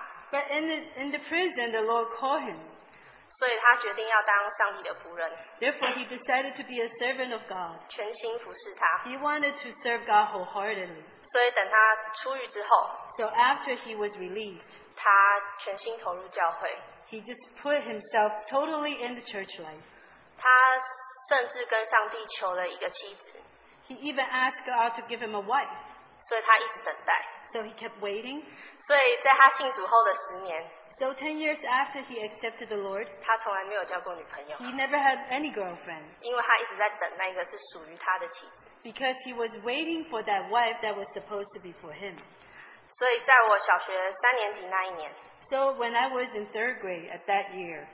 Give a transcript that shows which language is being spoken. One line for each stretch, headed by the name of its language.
English: but in the prison, the Lord called him.
Chinese: 所以他决定要当上帝的仆人.
English: Therefore, he decided to be a servant of God.
Chinese: 全心服侍他.
English: He wanted to serve God wholeheartedly.
Chinese: 所以等他出狱之后,
English: so after he was released,
Chinese: 他全心投入教会.
English: He just put himself totally in the church life.
Chinese: 他甚至跟上帝求了一个妻子.
English: He even asked God to give him a wife.
Chinese: 所以他一直等待.
English: So he kept waiting.
Chinese: 所以在他信主后的10年,
English: so 10 years after he accepted the Lord,
Chinese: 他从来没有交过女朋友,
English: he never had any girlfriend.
Chinese: 因为他一直在等那个是属于他的妻子.
English: Because he was waiting for that wife that was supposed to be for him.
Chinese: 所以在我小学3年级那一年,
English: so when I was in third grade at that year,